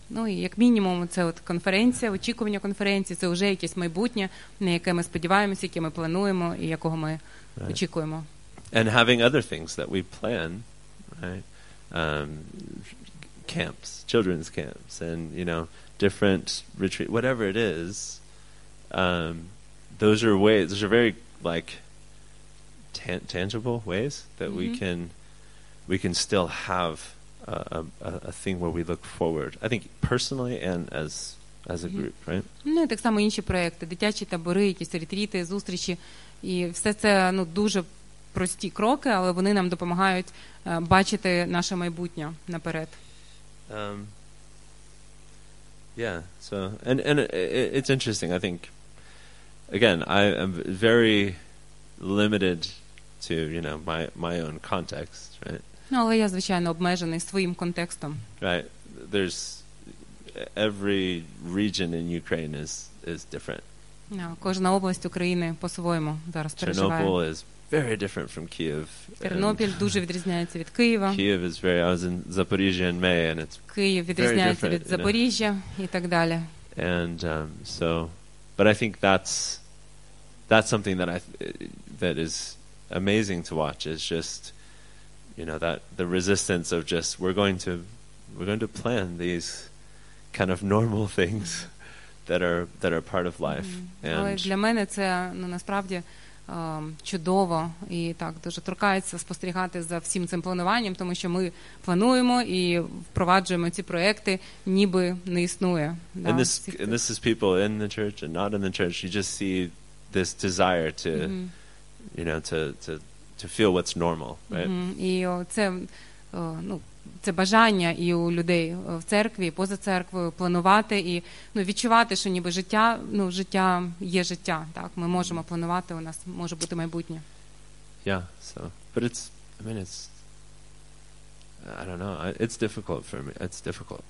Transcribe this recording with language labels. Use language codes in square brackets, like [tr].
[uk] Ну, і як мінімум це от конференція, очікування конференції, це вже якесь майбутнє, на яке ми сподіваємося, яке ми плануємо і якого ми очікуємо. [en] And having other things that we plan, right? Camps, children's camps and, you know, different retreat, whatever it is, those are ways, those are very like tangible ways that we can still have a thing where we look forward. I think personally and as a group, right? [uk] Ну, так само інші проекти, дитячі табори, якісь ретріти, зустрічі, і все це, ну, дуже прості кроки, але вони нам допомагають бачити наше майбутнє наперед. [en] It's interesting. I think again, I am very limited to, you know, my own context, right? [uk] Ну, але я, звичайно, обмежений своїм контекстом. [en] Right. There's every region in Ukraine is different. [uk] No, кожна область України по-своєму зараз переживає. [en] Chernobyl is very different from Kyiv. [uk] Тернопіль дуже відрізняється від Києва. [en] Kyiv is very, I was in Zaporizhia in May and it's [uk] Київ відрізняється від Запоріжжя і так далі. [en] And so but I think that's something that is amazing to watch is just, you know, that the resistance of just we're going to plan these kind of normal things that are part of life. [uk] Але для мене це, ну, насправді чудово і так дуже торкається спостерігати за всім цим плануванням, тому що ми плануємо і впроваджуємо ці проекти, ніби не існує. [en] And this is people in the church and not in the church. You just see this desire to you know, to feel what's normal, right? [uk] І це, ну, це бажання і у людей в церкві, поза церквою планувати і, ну, відчувати, що ніби життя, ну, життя є життя, так? Ми можемо планувати, у нас може бути майбутнє. [en] Yeah, so, but it's, I mean, it's, I don't know, it's difficult for me, it's difficult.